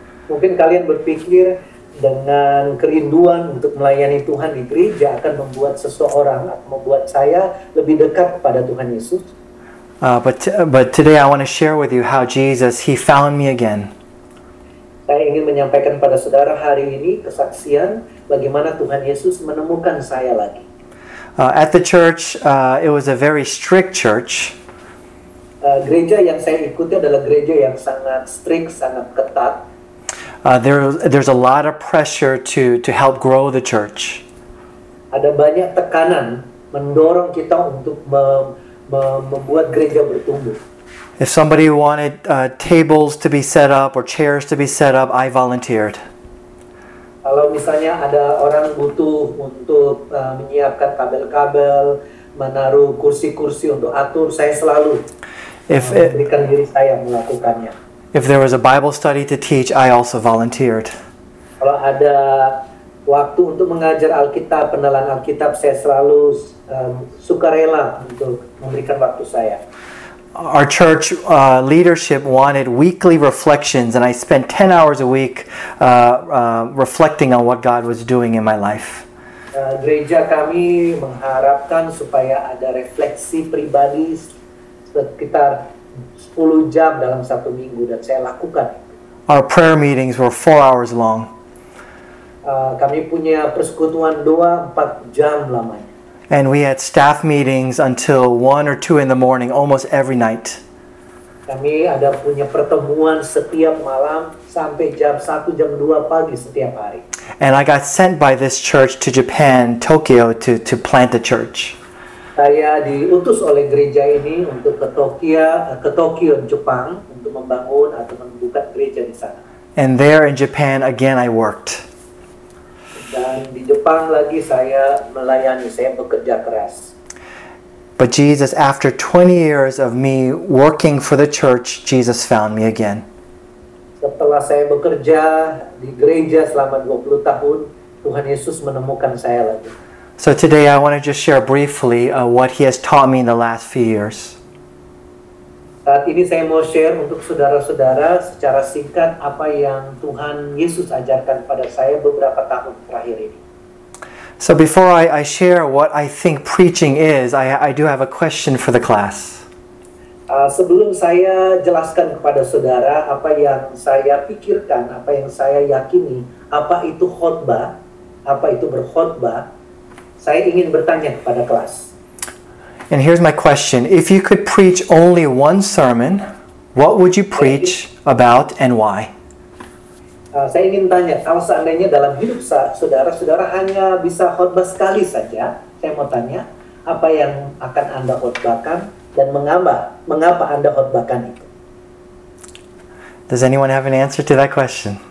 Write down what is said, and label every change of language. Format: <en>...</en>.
<id>Mungkin kalian berpikir dengan kerinduan untuk melayani Tuhan di gereja akan membuat seseorang atau membuat saya lebih dekat kepada Tuhan Yesus.</id> <en>But today I want to share with you how Jesus, He found me again.</en> <id>Saya ingin menyampaikan pada saudara hari ini kesaksian bagaimana Tuhan Yesus menemukan saya lagi.</id> <en>At the church, it was a very strict church.</en> <id>Gereja yang saya ikuti adalah gereja yang sangat strict, sangat ketat.</id> <en>There's a lot of pressure to help grow the church.</en> <id>Ada banyak tekanan mendorong kita untuk membuat gereja bertumbuh.</id> <en>If somebody wanted tables to be set up or chairs to be set up, I volunteered.</en> <id>Kalau misalnya ada orang butuh untuk menyiapkan kabel-kabel, menaruh kursi-kursi untuk atur, saya selalu memberikan diri saya melakukannya.</id> <en>If there was a Bible study to teach, I also volunteered.</en> <id>Kalau ada waktu untuk mengajar Alkitab, penelan Alkitab, saya selalu sukarela untuk memberikan waktu saya.</id> <en>our church leadership wanted weekly reflections, and I spent 10 hours a week reflecting on what God was doing in my life.</en> <id>Gereja kami mengharapkan supaya ada refleksi pribadi sekitar 10 jam dalam satu minggu, dan saya lakukan.</id> <en>Our prayer meetings were 4 hours long.</en> <id>Kami punya persekutuan doa 4 jam lamanya.</id> <en>And we had staff meetings until 1 or 2 in the morning almost every night.</en> <id>Kami ada punya pertemuan setiap malam sampai jam 1 jam 2 pagi setiap hari.</id> <en>And I got sent by this church to Japan, Tokyo, to plant a church.</en> <id>Saya diutus oleh gereja ini untuk ke Tokyo, Jepang, untuk membangun atau membuka gereja di sana.</id> <en>And there in Japan again I worked.</en> <id>Dan di Jepang lagi saya melayani, saya bekerja keras.</id> <en>But Jesus, after 20 years of me working for the church, Jesus found me again.</en> <id>Setelah saya bekerja di gereja selama 20 tahun, Tuhan Yesus menemukan saya lagi.</id> <en>So today I want to just share briefly what he has taught me in the last few years.</en> <id>Saat ini saya mau share untuk saudara-saudara secara singkat apa yang Tuhan Yesus ajarkan pada saya beberapa tahun terakhir ini.</id> <en>So before I share what I think preaching is, I do have a question for the class.</en> <id>Sebelum saya jelaskan kepada saudara apa yang saya pikirkan, apa yang saya yakini, apa itu khotbah, apa itu berkhotbah, saya ingin bertanya kepada kelas.</id> <en>And here's my question. If you could preach only one sermon, what would you preach about and why?</en> <id>Saya ingin tanya, kalau seandainya dalam hidup saudara-saudara hanya bisa khotbah sekali saja, saya mau tanya, apa yang akan Anda khotbahkan dan mengapa Anda khotbahkan itu?</id> <en>Does anyone have an answer to that question?</en>